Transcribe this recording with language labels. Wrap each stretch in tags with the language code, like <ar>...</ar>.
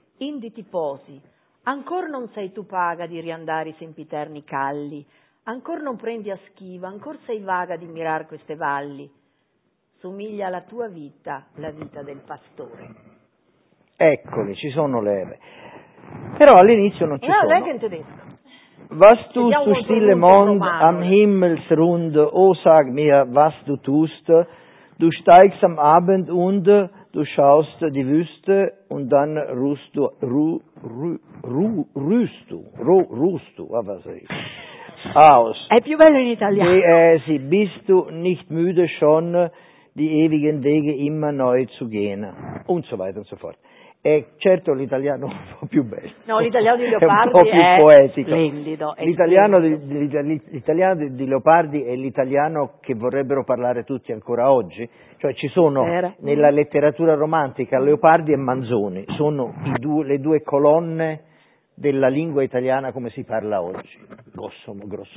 <it>Indi ti posi. Ancor non sei tu paga di riandare i sempiterni calli. Ancor non prendi a schiva, ancor sei vaga di mirar queste valli. Somiglia alla tua vita, la vita del pastore. Eccoli, ci sono le R. Però all'inizio non ci sono. No, anche in tedesco.</it> <de>Was tu zu stille Mond am Himmelsrund, o sag mir, was du tust, du steigst am Abend und du schaust die Wüste und dann ruhst du, was soll ich. Aus.</de> <it>È più bello in italiano.</it> <de>Sì, bist du nicht müde schon, di ewigen Wege immer neu zu gehen, und so weiter und so fort.</de> <it>E certo l'italiano è un po' più bello. No, l'italiano di Leopardi è un po' più poetico. Splendido. L'italiano di Leopardi è l'italiano che vorrebbero parlare tutti ancora oggi. Cioè ci sono nella letteratura romantica Leopardi e Manzoni, sono le due colonne della lingua italiana come si parla oggi, grosso modo.</it>